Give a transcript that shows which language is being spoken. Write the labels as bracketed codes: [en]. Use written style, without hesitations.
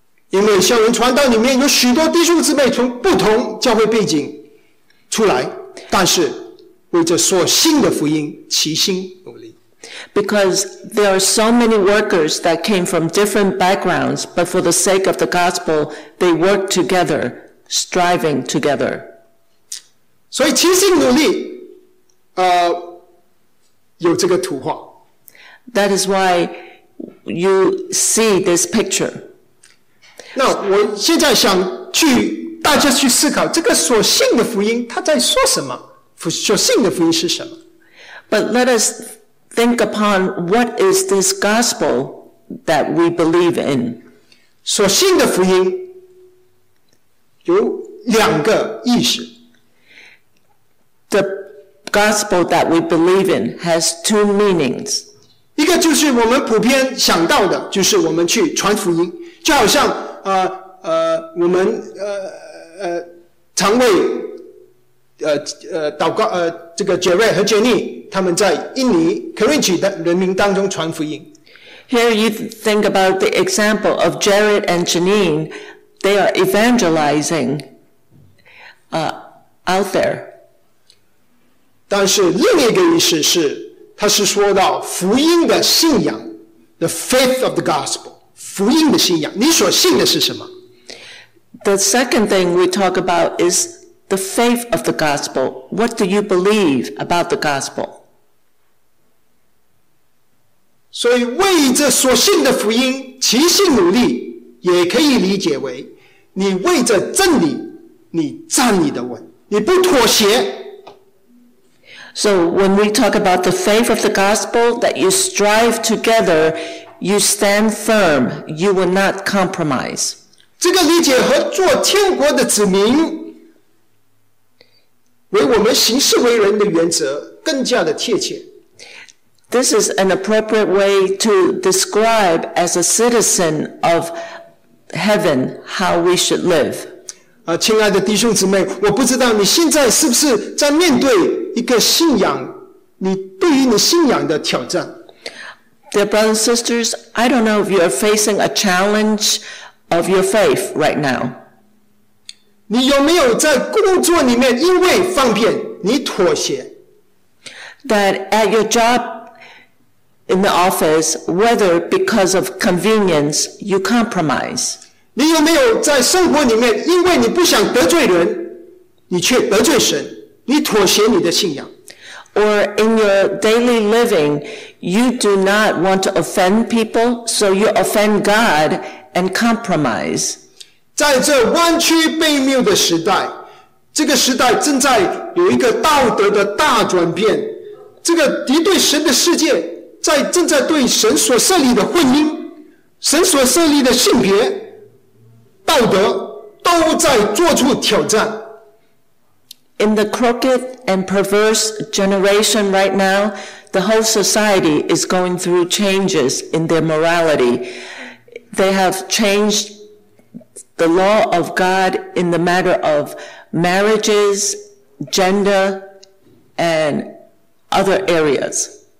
[zh] 因为校园传道里面有许多弟兄姊妹从不同教会背景出来，但是为这所信的福音齐心努力。 [en] Because there are so many workers that came from different backgrounds, but for the sake of the gospel, they work together, striving together. [zh] 所以齐心努力，有这个图画。 [en] That is why you see this picture. [zh] 那我现在想去大家去思考，这个所信的福音他在说什么？所信的福音是什么？ [en] But let us think upon what is this gospel that we believe in. [zh] 所信的福音有两个意思。 [en] The gospel that we believe in has two meanings. [zh] 一个就是我们普遍想到的，就是我们去传福音，就好像我们常为祷告这个杰瑞和杰妮他们在印尼 Karinchi 的人民当中传福音。 [en] Here you think about the example of Jared and Janine. They are evangelizing out there. [zh] 但是另一个意思是，他是说到福音的信仰， [en] the faith of the gospel， [zh] 福音的信仰，你所信的是什么？ [en] The second thing we talk about is the faith of the gospel. What do you believe about the gospel? [zh] 所以为这所信的福音齐心努力，也可以理解为你为这真理你站你的稳，你不妥协。 [en] So when we talk about the faith of the gospel, that you strive together, you stand firm, you will not compromise. [zh] 这个理解和做天国的子民为我们行事为人的原则更加的贴切。 [en] This is an appropriate way to describe as a citizen of heaven how we should live. [zh] 亲爱的弟兄姊妹，我不知道你现在是不是在面对一个信仰，你对于你信仰的挑战。 [en] Dear brothers and sisters, I don't know if you are facing a challenge of your faith right now. [zh] 你有没有在工作里面因为方便你妥协？ [en] That at your job,in the office, whether because of convenience, you compromise. [zh] 你有没有在生活里面，因为你不想得罪人，你却得罪神，你妥协你的信仰？ [en] Or in your daily living, you do not want to offend people, so you offend God and compromise. [zh] 在这弯曲背谬的时代，这个时代正在有一个道德的大转变，这个敌对神的世界在正在对神所设立的婚姻、神所设立的性别、道德都在做出挑战。 [en] In the crooked and perverse generation right now, the whole society is going through changes in their morality. They have changed the law of God in the matter of marriages, gender, and other areas.